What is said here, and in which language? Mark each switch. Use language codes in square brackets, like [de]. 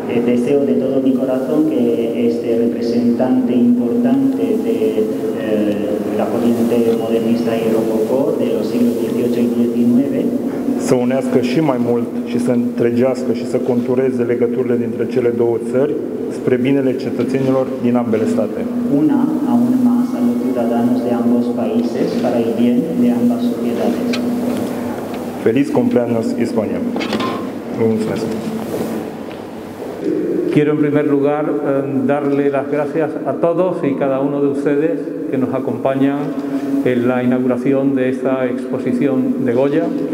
[es] Deseo de todo mi corazón que este representante importante de la corriente modernista y rococó de los siglos XVIII y XIX [ro] să unească și mai mult și să întregească și să contureze legăturile dintre cele două țări spre binele cetățenilor din ambele state. [es] Una a un mas a los ciudadanos de ambos países para el bien de ambas sociedades. Feliz cumpleaños, España. [ro] Mulțumesc. [es] Quiero en primer lugar darle las gracias a todos y cada uno de ustedes que nos acompañan en la inauguración de esta exposición de Goya.